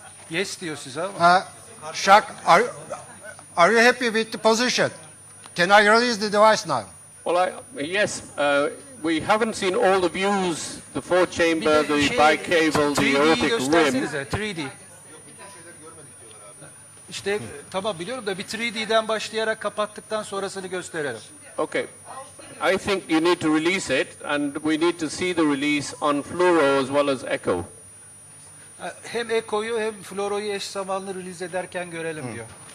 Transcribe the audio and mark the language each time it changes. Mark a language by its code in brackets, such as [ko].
[tr] Yes diyor size ama. [en] Şak, are you happy with the position? Can I release the device now? Well, yes. We haven't seen all the views, the four chamber, the bicable, the aortic rim. 3D. [tr] İşte tamam biliyorum da bir 3D'den başlayarak kapattıktan sonrasını gösterelim. [en] Okay. I think you need to release it and we need to see the release on fluoro as well as echo. [tr] Hem echo'yu hem fluoro'yu eş zamanlı release ederken görelim diyor.